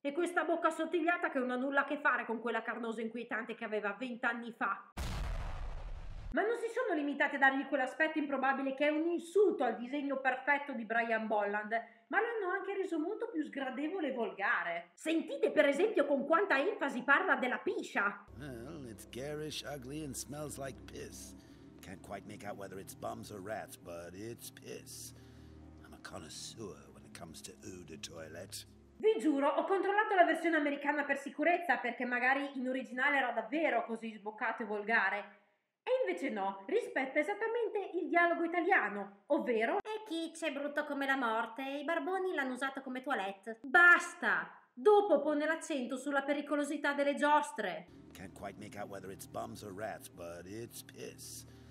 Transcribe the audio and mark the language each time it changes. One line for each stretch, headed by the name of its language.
Italian: E questa bocca sottigliata che non ha nulla a che fare con quella carnosa e inquietante che aveva 20 anni fa. Ma non si sono limitati a dargli quell'aspetto improbabile che è un insulto al disegno perfetto di Brian Bolland, ma lo hanno anche reso molto più sgradevole e volgare. Sentite per esempio con quanta enfasi parla della piscia.
English: Well, it's garish, ugly and smells like piss. Can't quite make out whether it's bums or rats, but it's piss. I'm a connoisseur when it comes to eau de toilette.
Italian: Vi giuro, ho controllato la versione americana per sicurezza, perché magari in originale era davvero così sboccato e volgare. E invece no, rispetta esattamente il dialogo italiano, ovvero... E chi c'è brutto come la morte? I barboni l'hanno usato come toilette. Basta! Dopo pone l'accento sulla pericolosità delle giostre.
English: Can't quite make out whether it's bums or rats, but it's piss.